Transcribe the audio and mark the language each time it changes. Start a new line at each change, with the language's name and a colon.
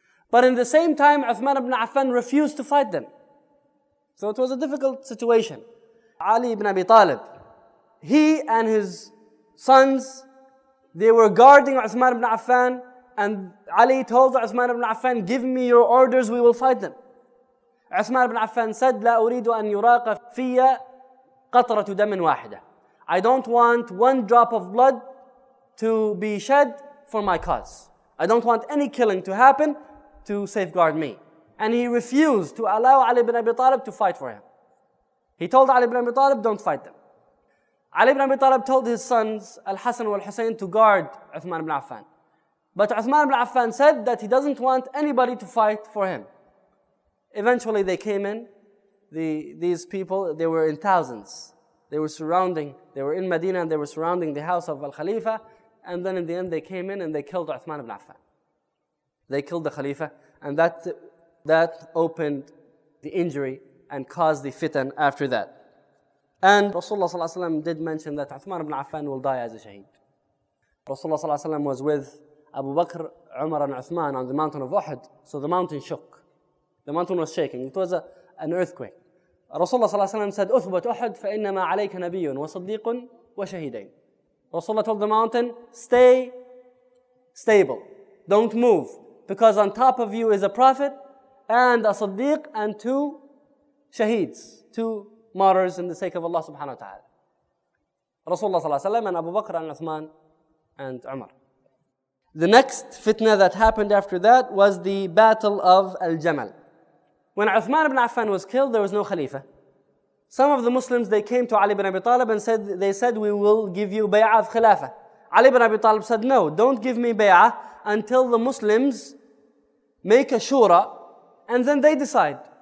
English: But in the same time, Uthman ibn Affan refused to fight them. So it was a difficult situation. Ali ibn Abi Talib, he and his sons, they were guarding Uthman ibn Affan, and Ali told Uthman ibn Affan, give me your orders, we will fight them. Uthman ibn Affan said,
Arabic: لا أريد أن يراق في قطرة دم واحدة.
English: I don't want one drop of blood to be shed for my cause. I don't want any killing to happen to safeguard me. And he refused to allow Ali ibn Abi Talib to fight for him. He told Ali ibn Abi Talib, don't fight them. Ali ibn Abi Talib told his sons, Al-Hasan and Al-Husayn, to guard Uthman ibn Affan. But Uthman ibn Affan said that he doesn't want anybody to fight for him. Eventually they came in, these people, they were in thousands. They were surrounding, they were in Medina, and they were surrounding the house of Al-Khalifa. And then in the end, they came in and they killed Uthman ibn Affan. They killed the Khalifa, and that opened the injury and caused the fitan after that. And Rasulullah ﷺ did mention that Uthman ibn Affan will die as a shaheed. Rasulullah ﷺ was with Abu Bakr, Umar, and Uthman on the mountain of Uhud, so the mountain shook. The mountain was shaking. It was an earthquake.
Arabic: رسول الله صلى الله عليه وسلم
English: said
Arabic: أثبت أحد فإنما عليك نبي وصديق وشهيدين.
English: رسول الله told the mountain stay stable, don't move, because on top of you is a prophet and a صديق and two shaheeds, two martyrs in the sake of Allah سبحانه وتعالى. رسول الله صلى الله عليه وسلم and أبو بكر and عثمان and عمر. The next fitna that happened after that was the battle of Al-Jamal. When Uthman ibn Affan was killed, there was no Khalifa. Some of the Muslims, they came to Ali ibn Abi Talib and said, they said, we will give you bay'ah of Khilafah. Ali ibn Abi Talib said, no, don't give me bay'ah until the Muslims make a shura, and then they decide.